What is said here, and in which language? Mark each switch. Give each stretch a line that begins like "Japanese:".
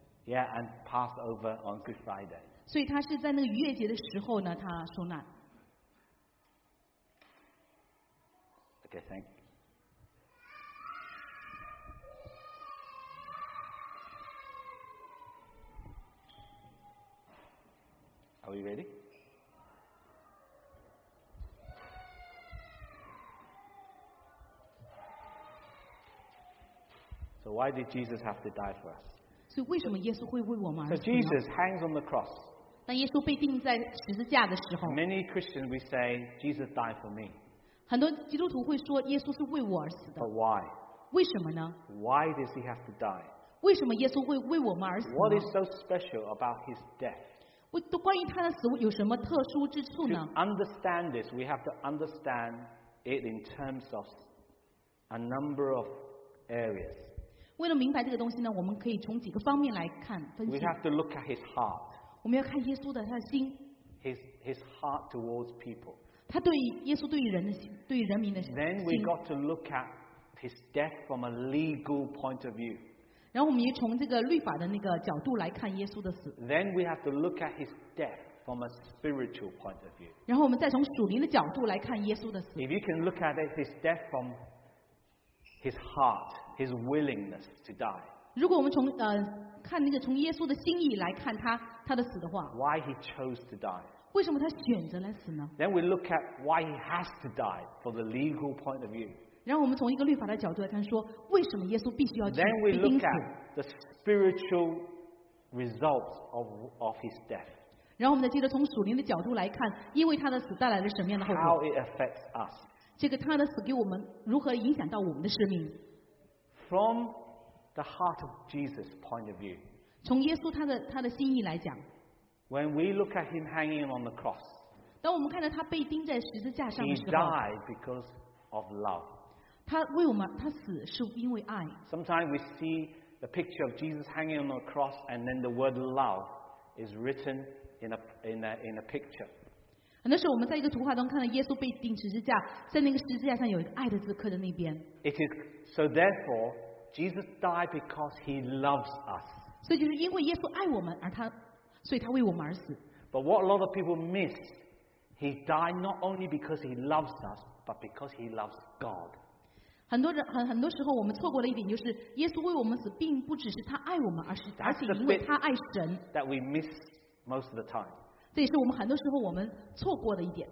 English: Yeah, and Passover on Good Friday.
Chinese: 所以他是在那个逾越节的时候呢，他受难。
English: Okay, thank you. Are we ready? So why did Jesus have to die for us?
Chinese: 所以为什么耶稣会为我们而死呢？
English: So Jesus hangs on the cross.
Chinese: 当耶稣被钉在十字架的时候，
English: Many Christians we say Jesus died for me.
Chinese: 很多基督徒会说耶稣是为我而死的。
English: But why?
Chinese: 为什么呢？
English: Why does he have to die?
Chinese: 为什么耶稣会为我们而死呢？
English: What is so special about his death?
Chinese: 关于他的死有什么特殊之处呢？
English: To understand this, we have to understand it in terms of a number of areas.
Chinese: 为了明白这个东西呢，我们可以从几个方面来看分析。
English: We have to look at his heart.
Chinese: 我们要看耶稣的他的心。
English: His heart towards people.
Chinese: 他对耶稣对人的心，对人民的心。
English: Then we got to look at his death from a legal point of view.
Chinese: 然后我们也从这个律法的那个角度来看耶稣的死。
English: Then we have to look at his death from a spiritual point of view.
Chinese: 然后我们再从属灵的角度来看耶稣的死。
English: If you can look at his death from his heart, his willingness to die.
Chinese: 如果我们从看那个从耶稣的心意来看他的死的话。
English: Why he chose to die?
Chinese: 为什么他选择来死呢？
English: Then we look at why he has to die from the legal point of view.
Chinese: 然后我们从一个律法的角度来看，说为什么耶稣必须要去被钉死。
English: Then we look at the spiritual results of his death.
Chinese: 然后我们再接着从属灵的角度来看，因为他的死带来了什么样的后果。
English: How it affects us.
Chinese: 这个他的死给我们如何影响到我们的生命。
English: From the heart of Jesus' point of view.
Chinese: 从耶稣他的心意来讲。
English: When we look at him hanging on the cross.
Chinese: 当我们看到他被钉在十字架上的时候。
English: He died because of love.
Chinese: 他为我们，他死是因为爱。
English: Sometimes we see the picture of Jesus hanging on a cross, and then the word love is written in a picture.
Chinese: 很多时候我们在一个图画中看到耶稣被钉十字架，在那个十字架上有一个爱的字刻在那边。
English: It is so. Therefore, Jesus died because he loves us.
Chinese: 所以就是因为耶稣爱我们，所以他为我们而死。
English: But what a lot of people miss, he died not only because he loves us, but because he loves God.
Chinese: 很多时候我们错过了一点，就是耶稣为我们死并不只是他爱我们，而且因为他爱神。
English: That we miss most of the time.
Chinese: 这也是我们很多时候我们错过的一点。